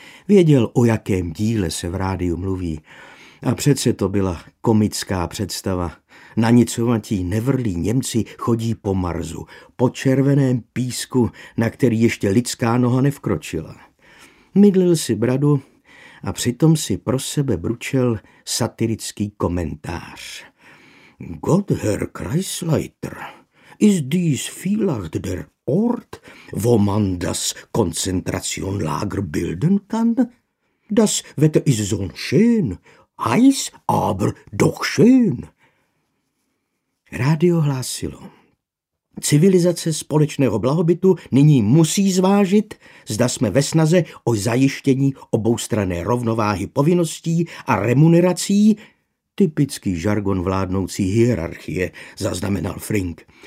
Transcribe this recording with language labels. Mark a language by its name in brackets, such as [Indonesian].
[Czech] Věděl, o jakém díle se v rádiu mluví. A přece to byla komická představa. Nanicovatí nevrlí Němci chodí po Marsu, po červeném písku, na který ještě lidská noha nevkročila. Mydlil si bradu a přitom si pro sebe bručel satirický komentář. [German] Gott, Herr Kreisleiter, ist dies vielleicht der Ort, wo man das Konzentrationlager bilden kann? Das Wetter ist so schön, heiß, aber doch schön. [Czech] Rádio hlásilo. Civilizace společného blahobytu nyní musí zvážit, zda jsme ve snaze o zajištění oboustranné rovnováhy povinností a remunerací. Typický žargon vládnoucí hierarchie, zaznamenal Frink.